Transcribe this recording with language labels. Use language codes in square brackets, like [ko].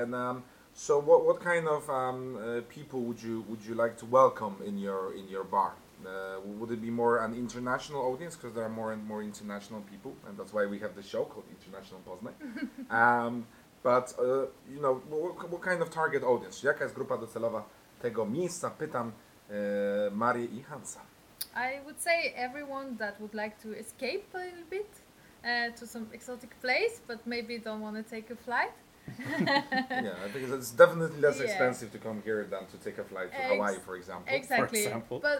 [en] And so, what kind of people would you like to welcome in your bar? Would it be more an international audience because there are more and more international people, and that's why we have the show called International Poznan. but you know, what kind of target audience? [pl] Jaka jest grupa docelowa tego miejsca? Pytam Marię I Hansa. [en] I would say everyone that would like to escape a little bit to some exotic place, but maybe don't want to take a flight. Yeah, I think it's definitely less expensive to come here than to take a flight to Hawaii, for example. Exactly. For example.